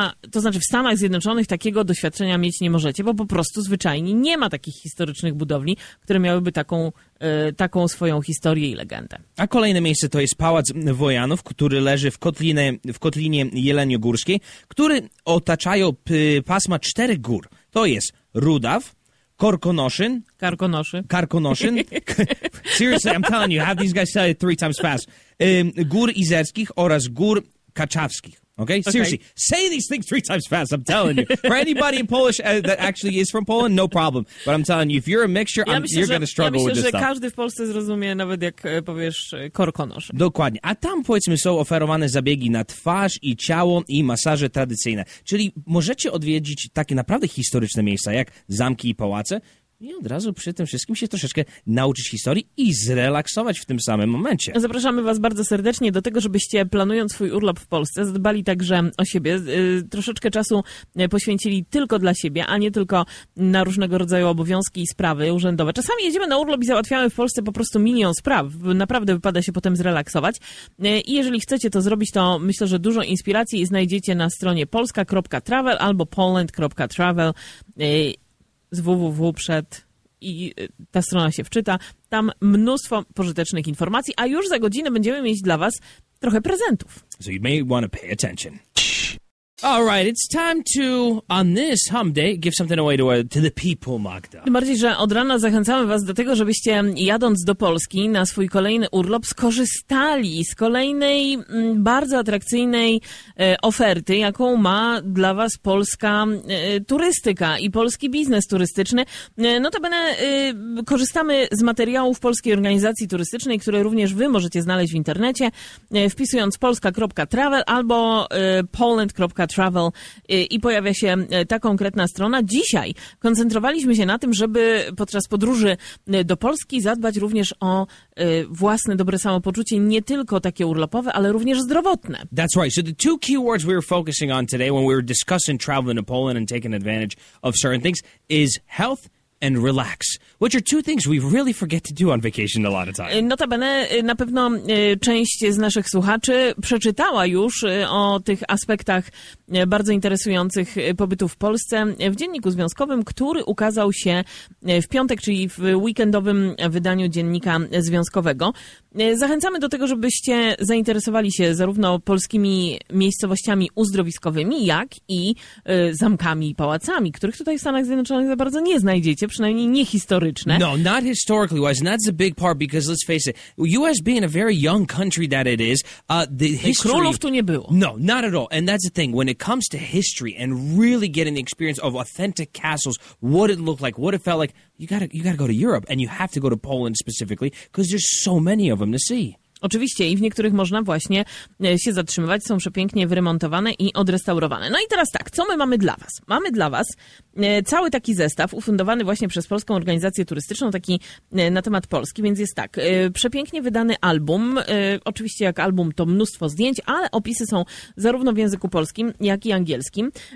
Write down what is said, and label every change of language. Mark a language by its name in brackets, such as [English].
[Polish] to znaczy w Stanach Zjednoczonych takiego doświadczenia mieć nie możecie, bo po prostu zwyczajnie nie ma takich historycznych budowli, które miałyby taką swoją historię i legendę. A kolejne miejsce to jest Pałac Wojanów, który leży w kotlinie Jeleniogórskiej, który otaczają pasma czterech gór. To jest Rudaw, Karkonoszyn. [English] Seriously, I'm telling you, have these guys say it three times fast. [Polish] Gór Izerskich oraz Gór Kaczawskich. [English] Okay? Seriously, say these things three times fast, I'm telling you. For anybody in Polish that actually is from Poland, no problem. But I'm telling you, if you're a mixture, you're going to struggle with this stuff. [Polish] Ja myślę, że każdy w Polsce zrozumie, nawet jak powiesz Korkonosz. Dokładnie. A tam, powiedzmy, są oferowane zabiegi na twarz i ciało i masaże tradycyjne. Czyli możecie odwiedzić takie naprawdę historyczne miejsca, jak zamki i pałace, i od razu przy tym wszystkim się troszeczkę nauczyć historii i zrelaksować w tym samym momencie. Zapraszamy was bardzo serdecznie do tego, żebyście planując swój urlop w Polsce zadbali także o siebie, troszeczkę czasu poświęcili tylko dla siebie, a nie tylko na różnego rodzaju obowiązki i sprawy urzędowe. Czasami jedziemy na urlop i załatwiamy w Polsce po prostu milion spraw. Naprawdę wypada się potem zrelaksować. I jeżeli chcecie to zrobić, to myślę, że dużo inspiracji znajdziecie na stronie polska.travel albo poland.travel. Z www przed i ta strona się wczyta. Tam mnóstwo pożytecznych informacji, a już za godzinę będziemy mieć dla was trochę prezentów. [English] So you may want to pay attention. All right, it's time to, on this hump day, give something away to the people, Magda. [Polish] Tym bardziej, że od rana zachęcamy was do tego, żebyście jadąc do Polski na swój kolejny urlop skorzystali z kolejnej bardzo atrakcyjnej oferty, jaką ma dla was polska turystyka i polski biznes turystyczny. Notabene korzystamy z materiałów Polskiej Organizacji Turystycznej, które również wy możecie znaleźć w internecie, wpisując polska.travel albo poland.travel. Travel i pojawia się ta konkretna strona. Dzisiaj koncentrowaliśmy się na tym, żeby podczas podróży do Polski zadbać również o własne dobre samopoczucie, nie tylko takie urlopowe, ale również zdrowotne. [English] That's right. So the two keywords we were focusing on today when we were discussing traveling to Poland and taking advantage of certain things is health and relax, which are two things we really forget to do on vacation a lot of time. [Polish] Notabene, na pewno część z naszych słuchaczy przeczytała już o tych aspektach bardzo interesujących pobytu w Polsce w Dzienniku Związkowym, który ukazał się w piątek, czyli w weekendowym wydaniu Dziennika Związkowego. Zachęcamy do tego, żebyście zainteresowali się zarówno polskimi miejscowościami uzdrowiskowymi, jak i zamkami i pałacami, których tutaj w Stanach Zjednoczonych za bardzo nie znajdziecie, przynajmniej nie historyczne. [English] No, not historically wise, and that's a big part, because let's face it, US being a very young country that it is, the history... [Polish] Królów tu nie było. [English] No, not at all, and that's the thing, when it comes to history and really getting the experience of authentic castles, what it looked like, what it felt like, you gotta go to Europe, and you have to go to Poland specifically, because there's so many of them to see. [Polish] Oczywiście i w niektórych można właśnie się zatrzymywać, są przepięknie wyremontowane i odrestaurowane. No i teraz tak, co my mamy dla Was? Mamy dla Was cały taki zestaw ufundowany właśnie przez Polską Organizację Turystyczną, taki na temat Polski, więc jest tak, przepięknie wydany album, oczywiście jak album to mnóstwo zdjęć, ale opisy są zarówno w języku polskim, jak i angielskim.